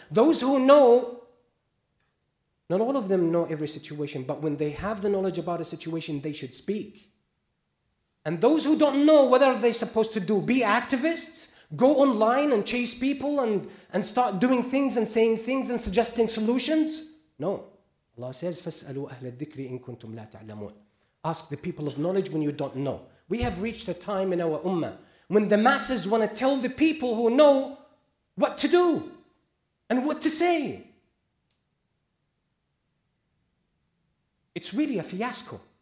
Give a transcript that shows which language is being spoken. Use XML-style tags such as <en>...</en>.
<en>Those who know, not all of them know every situation, but when they have the knowledge about a situation, they should speak. And those who don't know, what are they supposed to do? Be activists? Go online and chase people and start doing things and saying things and suggesting solutions? No. Allah says,</en> <ar>فَاسْأَلُوا أَهْلَ الذِّكْرِ إِن كُنْتُمْ لَا تَعْلَمُونَ.</ar> <en>Ask the people of knowledge when you don't know. We have reached a time in our ummah when the masses want to tell the people who know what to do and what to say. It's really a fiasco.</en>